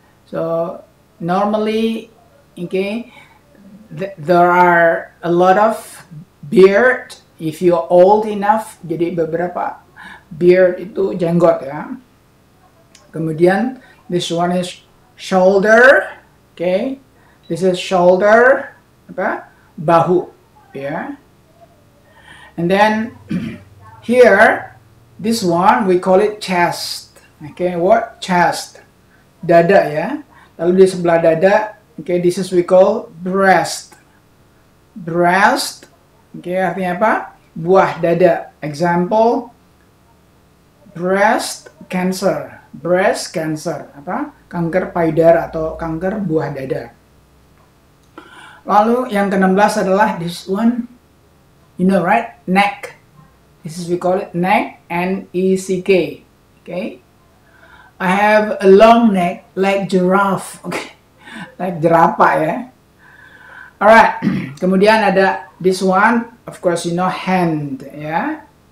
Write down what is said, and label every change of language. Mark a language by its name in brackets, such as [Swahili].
[English] So normally, okay, there are a lot of beard if you are old enough. [Indonesian] Jadi beberapa beard itu jenggot ya. [English] Kemudian, this one is shoulder, okay. This is shoulder, [Indonesian] apa? Bahu, ya. [English] Yeah. And then, here, this one, we call it chest. Okay, what? Chest. [Indonesian] Dada, ya. [English] Yeah. [Indonesian] Lalu di sebelah dada, [English] okay, this is we call breast. Breast, okay, [Indonesian] artinya apa? Buah dada. [English] Example, breast cancer. Breast cancer, [Indonesian] apa? Kanker payudara atau kanker buah dada. Lalu yang ke-16 adalah [English] this one, you know, right? Neck. This is we call it neck, N-E-C-K. Okay. I have a long neck like giraffe. Okay. Like [Indonesian] jerapa ya. [English] Alright. [Indonesian] Kemudian ada [English] this one, of course you know, hand. Ya. Yeah?